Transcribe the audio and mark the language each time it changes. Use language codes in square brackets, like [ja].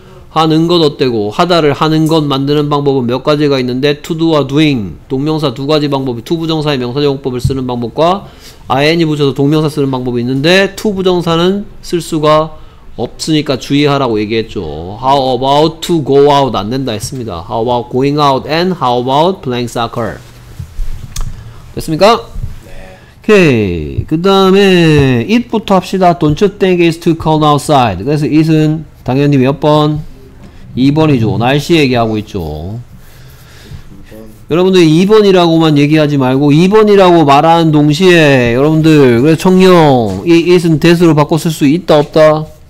[ko] 하는 것 어때고 하다를 하는 것 만드는 방법은 몇 가지가 있는데 to do와 doing 동명사 두 가지 방법이 to 부정사의 명사적용법을 쓰는 방법과 ing 붙여서 동명사 쓰는 방법이 있는데 to 부정사는 쓸 수가 없으니까 주의하라고 얘기했죠. [en] How about to go out [ko] 안 된다 했습니다. [en] How about going out and how about playing soccer [ko] 됐습니까? [en] 오케이. Okay. [ko] 그 다음에 it부터 합시다. [en] Don't you think it's too cold outside? [ko] 그래서 it은 당연히 몇 번? 2번이죠. 날씨 얘기하고 있죠. 여러분들 2번이라고만 얘기하지 말고 2번이라고 말하는 동시에 여러분들 그래서 청룡 이 it은 that으로 바꿔 쓸 수 있다 없다?